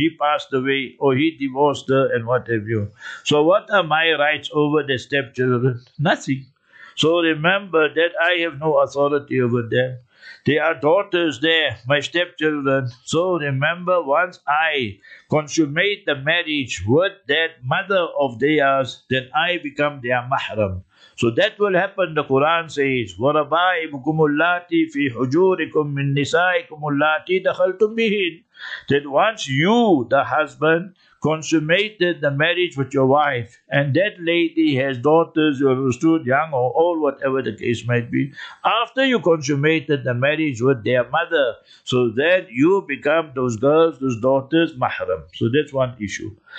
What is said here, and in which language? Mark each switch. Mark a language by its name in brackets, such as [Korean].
[English] He passed away or he divorced her and what have you. So what are my rights over the stepchildren? Nothing. So remember that I have no authority over them. They are daughters there, my stepchildren. So remember, once I consummate the marriage with that mother of theirs, then I become their mahram. So that will happen, the Quran says, [Arabic] وَرَبَائِبُكُمُ اللَّاتِي فِي حُجُورِكُم مِّن نِسَائِكُمُ اللَّاتِي دَخَلْتُمْ بِهِنْ. [English] That once you, the husband, consummated the marriage with your wife, and that lady has daughters, you understood, young or old, whatever the case might be, after you consummated the marriage with their mother, so then you become those girls, those daughters, mahram. So that's one issue.